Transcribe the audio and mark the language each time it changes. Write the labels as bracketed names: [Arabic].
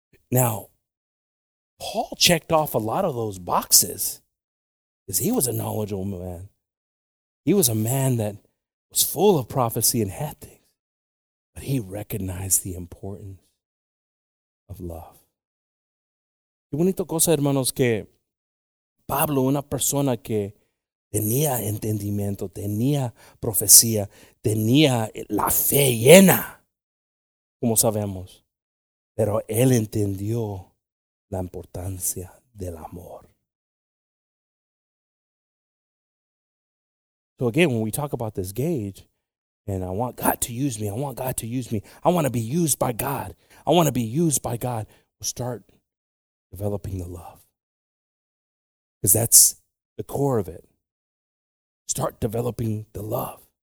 [English] Now, Paul checked off a lot of those boxes because he was a knowledgeable man. He was a man that was full of prophecy and had things, but he recognized the importance of love. [Spanish] Qué bonito cosa, hermanos, que Pablo, una persona que tenía entendimiento, tenía profecía, tenía la fe llena, como sabemos, pero él entendió la importancia del amor. [English] So again, when we talk about this gauge, and I want God to use me, I want God to use me, I want to be used by God, I want to be used by God, we'll start developing the love. Because that's the core of it. Start developing the love.